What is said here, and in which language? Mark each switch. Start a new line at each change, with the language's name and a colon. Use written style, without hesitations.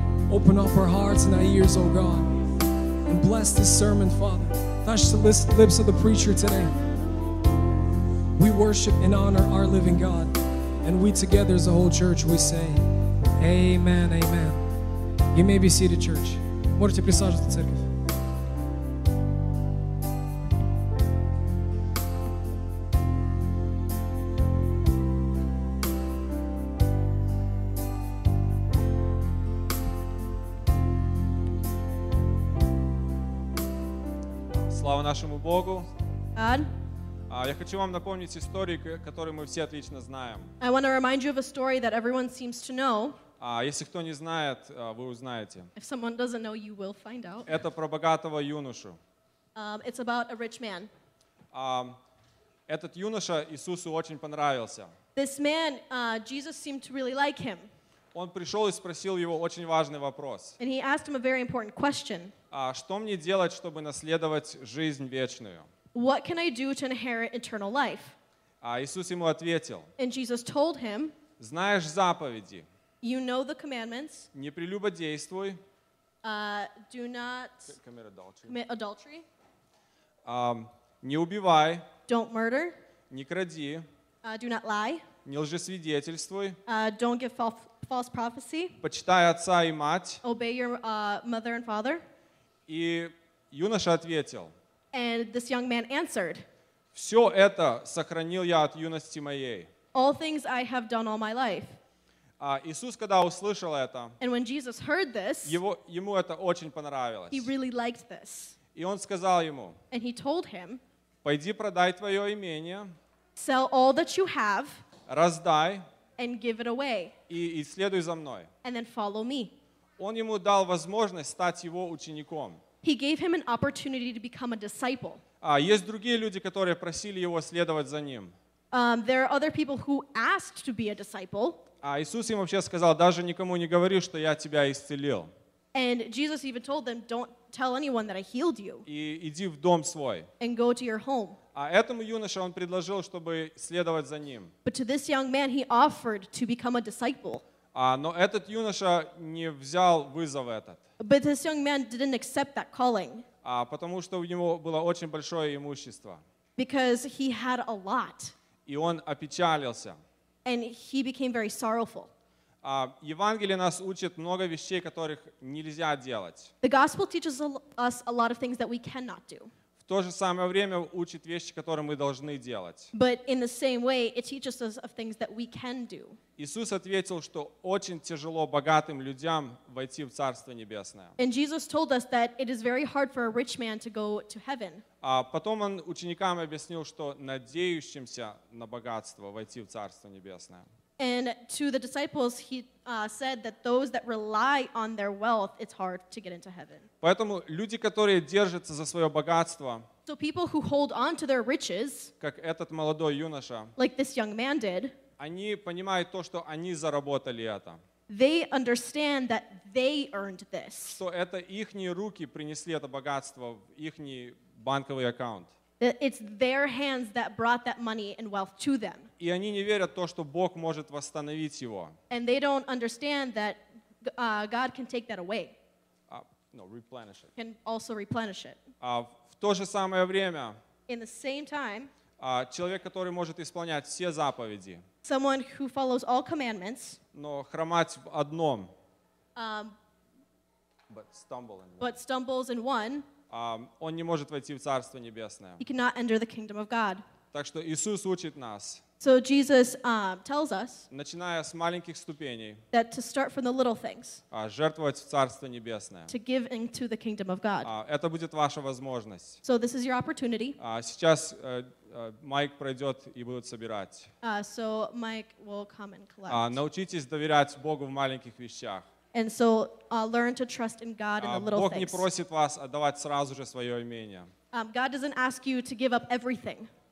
English: Open up our hearts and our ears, oh God, and bless this sermon, Father. Touch the lips of the preacher today. We worship and honor our living God. And we together as a whole church, we say, amen, amen. You may be seated, church.
Russian: Можете присаживаться, церковь. Слава нашему Богу.
English: God.
Russian: Я хочу вам напомнить историю, которую мы все отлично знаем.
English: I want to remind you of a story that everyone seems to know.
Russian: Если кто не знает, вы узнаете.
English: If someone doesn't know, you will find out.
Russian: Это про богатого юношу.
English: It's about a rich man.
Russian: Этот юноша Иисусу очень понравился.
English: This man, Jesus seemed to really like him.
Russian: Он пришел и спросил его очень важный вопрос.
English: And he asked him a very important question.
Russian: Что мне делать, чтобы наследовать жизнь вечную?
English: What can I do to inherit eternal life?
Russian: Иисус ему ответил.
English: And Jesus told him,
Russian: знаешь заповеди.
English: You know the commandments.
Russian: Не прелюбодействуй.
English: Do not commit adultery. Commit adultery.
Russian: Не убивай.
English: Don't murder.
Russian: Не кради.
English: Do not lie.
Russian: Не лжесвидетельствуй.
English: Don't give false prophecy.
Russian: Почитай отца и мать.
English: Obey your mother and father.
Russian: И юноша ответил.
English: And this young man answered,
Russian: «Все это сохранил я от юности моей».
English: All things I have done all my life.
Russian: Иисус, когда услышал это,
English: and when Jesus heard this,
Russian: ему это очень понравилось.
English: He really liked this.
Russian: И он сказал ему,
English: and he told him,
Russian: «Пойди продай твое имение,
English: sell all that you have,
Russian: раздай,
English: and give it away,
Russian: и следуй за мной».
English: And then follow me.
Russian: Он ему дал возможность стать его учеником.
English: He gave him an opportunity to become a disciple.
Russian: Есть другие люди, которые просили его следовать за ним.
English: There are other people who asked to be a disciple.
Russian: Иисус им вообще сказал, даже никому не говори, что я тебя исцелил.
English: And Jesus even told them, don't tell anyone that I healed you.
Russian: И иди в дом свой.
English: And go to your home.
Russian: Этому юноше он предложил, чтобы следовать за ним.
English: But to this young man, he offered to become a disciple.
Russian: Но этот юноша не взял вызов этот.
English: But this young man didn't accept that calling.
Russian: Потому что у него было очень большое имущество.
English: Because he had a lot.
Russian: И он опечалился.
English: And he became very sorrowful.
Russian: Евангелие нас учит много вещей, которых нельзя делать.
English: The gospel teaches us a lot of things that we cannot do.
Russian: В то же самое время учит вещи, которые мы должны делать.
English: But in the same way, it teaches us of things that we can do.
Russian: Иисус ответил, что очень тяжело богатым людям войти в Царство Небесное.
English: And Jesus told us that it is very hard for a rich man to go to heaven.
Russian: А потом он ученикам объяснил, что надеющимся на богатство войти в Царство Небесное.
English: And to the disciples, he said that those that rely on their wealth, it's hard to get into heaven.
Russian: Поэтому люди, которые держатся за свое богатство,
English: so people who hold on to their riches,
Russian: как этот молодой юноша,
English: like this young man did,
Russian: они понимают то, что они заработали это.
English: They understand that they earned this.
Russian: Что это ихние руки принесли это богатство в ихний банковый аккаунт.
English: It's their hands that brought that money and wealth to them.
Russian: И они не верят то, что Бог может восстановить его.
English: And they don't understand that God can take that away. No, replenish it. Can also replenish it.
Russian: В то же самое время.
English: In the same time.
Russian: Человек, который может исполнять все заповеди.
English: Someone who follows all commandments.
Russian: Но хромать в одном.
English: But stumble in one. But stumbles in one.
Russian: Он не может войти в Царство Небесное.
English: He cannot enter the kingdom of God.
Russian: Так что Иисус учит нас.
English: So Jesus tells us,
Russian: начиная с маленьких ступеней,
English: that to start from the little things,
Russian: жертвовать в Царство Небесное,
English: to give into the kingdom of God.
Russian: Это будет ваша возможность.
English: So this is your opportunity.
Russian: Сейчас Майк пройдет и будут собирать.
English: So Mike will come and collect.
Russian: Научитесь доверять Богу в маленьких вещах.
English: And so learn to trust in God in the little things.
Russian: Бог не просит вас отдавать сразу же свое имение.
English: God doesn't ask you to give up everything.